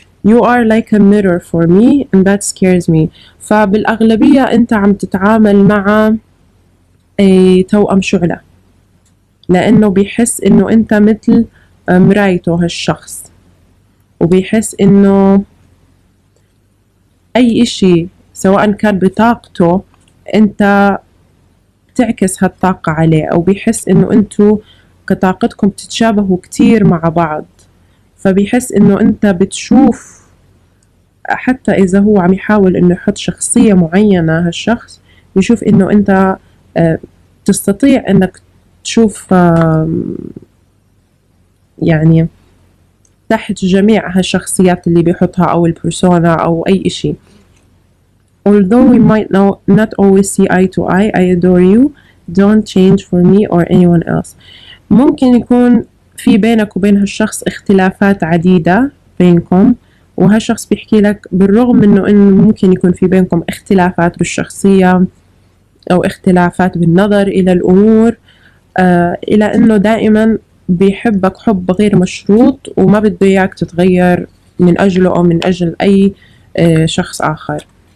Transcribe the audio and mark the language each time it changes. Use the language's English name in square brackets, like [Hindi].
[English] You are like a mirror for me and that scares me، [Arabic] فبالأغلبية أنت عم تتعامل مع توأم شعله، لأنه بيحس إنه أنت مثل مرايته هالشخص، وبيحس إنه أي إشي سواء كان بطاقته أنت تعكس هالطاقة عليه، أو بيحس إنه أنتو كطاقتكم تتشابهوا كتير مع بعض، فبيحس إنه أنت بتشوف، حتى إذا هو عم يحاول إنه يحط شخصية معينة هالشخص، يشوف إنه أنت تستطيع إنك تشوف يعني تحت جميع هالشخصيات اللي بيحطها أو البرسونا أو أي إشي. [English] Although we might not always see eye to eye, I adore you. Don't change for me or anyone else. [Arabic] ممكن يكون في بينك وبين هالشخص اختلافات عديدة بينكم، وهالشخص بيحكي لك بالرغم من إنه ممكن يكون في بينكم اختلافات بالشخصية أو اختلافات بالنظر إلى الأمور، إلى إنه دائما بيحبك حب غير مشروط، وما بده إياك تتغير من أجله أو من أجل أي شخص آخر.